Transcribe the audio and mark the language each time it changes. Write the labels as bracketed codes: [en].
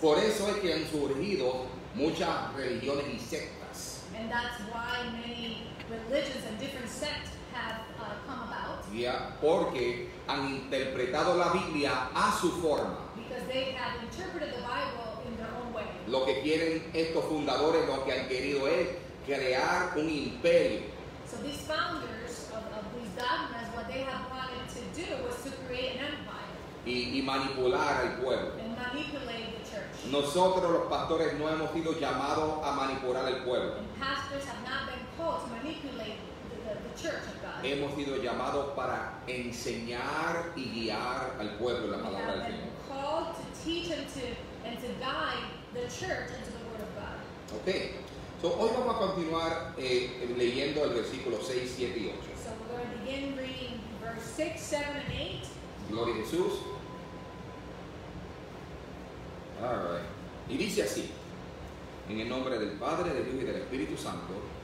[es] Por eso es que han surgido muchas religiones y sectas. [en] And that's why many religions and different sects have come about. [es] Yeah, porque han interpretado la Biblia a su forma. [en] Because they have interpreted the Bible in their own way. [es] Lo que quieren estos fundadores, lo que han querido es crear un imperio. [en] So these founders of these dogmas, what they have wanted to do was to create an empire. [es] Y manipular al pueblo. [en] And manipulate. [es] Nosotros los pastores no hemos sido llamados a manipular el pueblo. [en] Pastors have not been called to manipulate the church of God. [es] Hemos sido llamados para enseñar y guiar al pueblo la palabra del Señor. [en] Called to teach and to guide the church into the word of God. Okay. [es] So hoy vamos a continuar leyendo el versículo 6, 7 y 8. [en] So we're going to begin reading verse 6, 7 and 8. [es] Gloria a Jesús. [en] All right. [es] Y dice así, en el nombre del Padre, del Hijo y del Espíritu Santo.